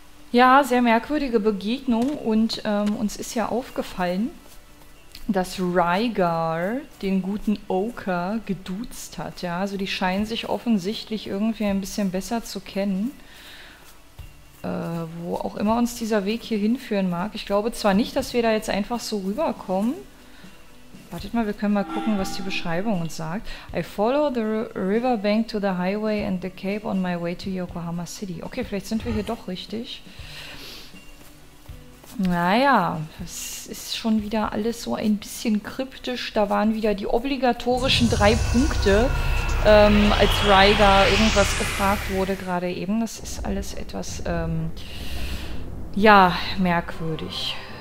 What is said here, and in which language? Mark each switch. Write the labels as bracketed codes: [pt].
[de] Ja, sehr merkwürdige Begegnung und uns ist ja aufgefallen, dass Rygar den guten Oka geduzt hat, ja. Also die scheinen sich offensichtlich irgendwie ein bisschen besser zu kennen. Wo auch immer uns dieser Weg hier hinführen mag. Ich glaube zwar nicht, dass wir da jetzt einfach so rüberkommen. Wartet mal, wir können mal gucken, was die Beschreibung uns sagt. [en] I follow the riverbank to the highway and the cape on my way to Yokohama City. [de] Okay, vielleicht sind wir hier doch richtig. Naja, es ist schon wieder alles so ein bisschen kryptisch. Da waren wieder die obligatorischen 3 Punkte, als Rygar irgendwas gefragt wurde gerade eben. Das ist alles etwas, ja, merkwürdig.